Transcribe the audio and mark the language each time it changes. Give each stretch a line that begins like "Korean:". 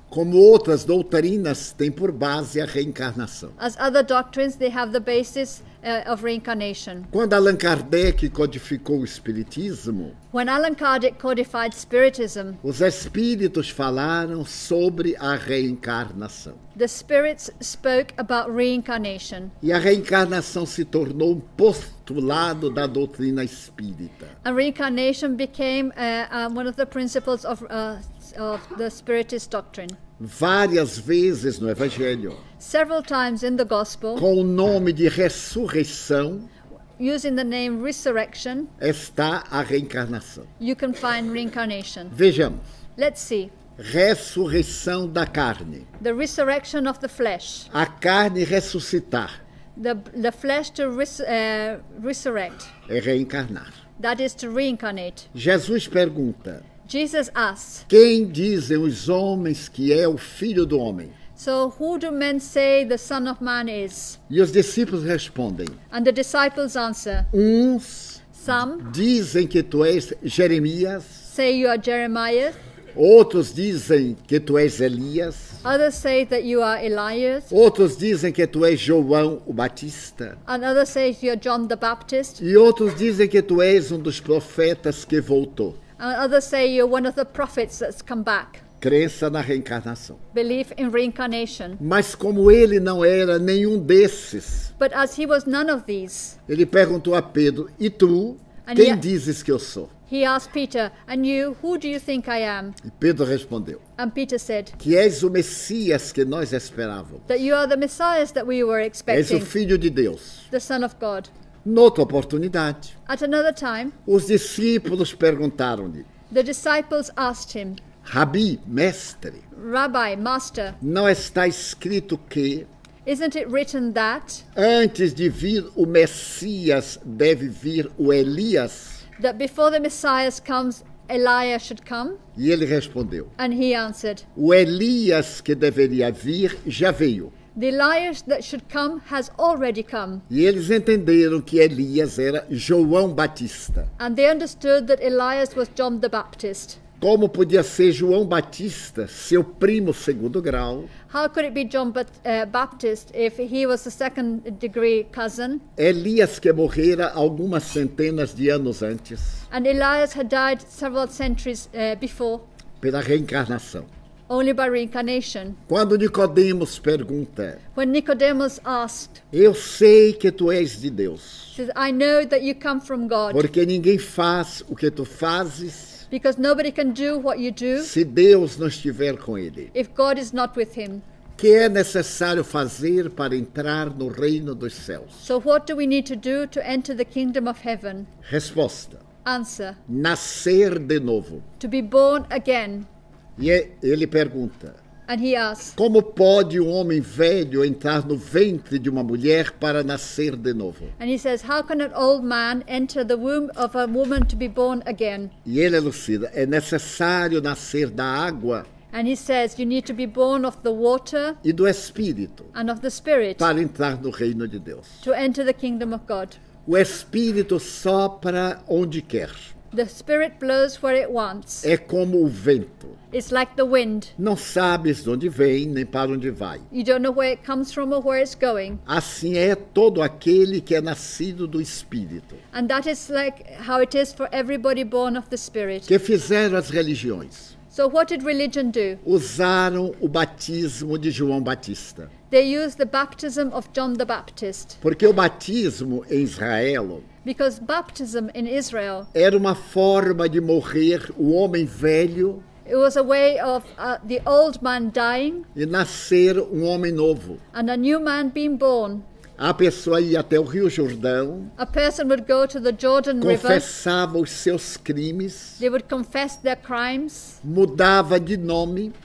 Portuguese: como outras doutrinas, têm por base a reencarnação.
English: As other doctrines, they have the basis of reincarnation.
Portuguese: Quando Allan Kardec codificou o Espiritismo,
English: when Allan Kardec codified Spiritism,
Portuguese: os Espíritos falaram sobre a reencarnação.
English: The Spirits spoke about reincarnation.
Portuguese: E a reencarnação se tornou um postulado da doutrina espírita.
English: And reincarnation became one of the principles of the Spiritist doctrine.
Portuguese: Várias vezes no Evangelho,
English: several times in the Gospel,
Portuguese: com o nome de ressurreição,
English: using the name resurrection,
Portuguese: está a reencarnação.
English: You can find reincarnation.
Portuguese: Vejamos.
English: Let's see.
Portuguese: Ressurreição da carne.
English: The resurrection of the flesh.
Portuguese: A carne ressuscitar.
English: The flesh to resurrect.
Portuguese: É reencarnar.
English: That is to reincarnate.
Portuguese: Jesus pergunta.
English: Jesus asks.
Portuguese: Quem dizem os homens que é o Filho do Homem?
English: So who do men say the Son of Man is?
Portuguese: E os discípulos respondem.
English: And the disciples answer.
Portuguese: Uns.
English: Some.
Portuguese: Dizem que tu és Jeremias.
English: Say you are Jeremiah.
Portuguese: Outros dizem que tu és Elias.
English: Others say that you are Elias.
Portuguese: Outros dizem que tu és João o Batista.
English: And others say you are John the Baptist.
Portuguese: E outros dizem que tu és um dos profetas que voltou.
English: And others say you're one of the prophets that's come back.
Portuguese: Crença na reencarnação.
English: Belief in reincarnation.
Portuguese: Mas como ele não era nenhum desses.
English: But as he was none of these.
Portuguese: Ele perguntou a Pedro, e tu, quem dizes que eu sou?
English: He asked Peter, "And you, who do you think I am?"
Portuguese: E Pedro respondeu.
English: And Peter said,
Portuguese: "Que és o Messias que nós esperávamos."
English: That you are the Messiah that we were expecting.
Portuguese: És o Filho de Deus.
English: The Son of God.
Portuguese: Noutra oportunidade.
English: At another time.
Portuguese: Os discípulos perguntaram-lhe.
English: The disciples asked him.
Portuguese: Rabi, mestre.
English: Rabbi, master.
Portuguese: Não está escrito que?
English: Isn't it written that?
Portuguese: Antes de vir o Messias, deve vir o Elias.
English: That before the Messiah comes, Elias should come.
Portuguese: E ele respondeu.
English: And he answered.
Portuguese: O Elias que deveria vir já veio.
English: The Elias that should come has already come.
Portuguese: E eles entenderam que Elias era João Batista.
English: And they understood that Elias was John the Baptist.
Portuguese: Como podia ser João Batista, seu primo segundo grau?
English: How could it be John Baptist if he was a second degree cousin?
Portuguese: Elias que morrera algumas centenas de anos antes.
English: And Elias had died several centuries before.
Portuguese: Pela reencarnação.
English: Only by reincarnation.
Portuguese: Quando Nicodemos pergunta.
English: When Nicodemus asked.
Portuguese: Eu sei que tu és de Deus.
English: Says, I know that you come from God.
Portuguese: Porque ninguém faz o que tu fazes.
English: Because nobody can do what you do.
Portuguese: Se Deus não estiver com ele.
English: If God is not with him.
Portuguese: Que é necessário fazer para entrar no reino dos céus?
English: So what do we need to do to enter the kingdom of heaven?
Portuguese: Resposta.
English: Answer.
Portuguese: Nascer de novo.
English: To be born again.
Portuguese: E ele pergunta.
English: And he asks.
Portuguese: Como pode um homem velho entrar no ventre de uma mulher para nascer de novo?
English: And he says, how can an old man enter the womb of a woman to be born again?
Portuguese: E ele elucida, é necessário nascer da água.
English: And he says, you need to be born of the water.
Portuguese: E do espírito.
English: And of the spirit.
Portuguese: Para entrar no reino de Deus.
English: To enter the kingdom of God.
Portuguese: O espírito sopra onde quer.
English: The spirit blows where it wants.
Portuguese: É como o vento.
English: It's like the wind.
Portuguese: Não sabes de onde vem nem para onde vai.
English: You don't know where it comes from or where it's going.
Portuguese: Assim é todo aquele que é nascido do Espírito.
English: And that is like how it is for everybody born of the Spirit.
Portuguese: Que fizeram as religiões?
English: So what did religion do?
Portuguese: Usaram o batismo de João Batista.
English: They used the baptism of John the Baptist.
Portuguese: Porque o batismo em Israel.
English: Because baptism in Israel.
Portuguese: Era uma forma de morrer o homem velho.
English: It was a way of the old man dying.
Portuguese: E nascer um homem novo.
English: And a new man being born.
Portuguese: A pessoa ia até o Rio Jordão.
English: A person would go to the Jordan River.
Portuguese: Confessava os seus crimes.
English: They would confess their crimes.
Portuguese: Mudava de nome.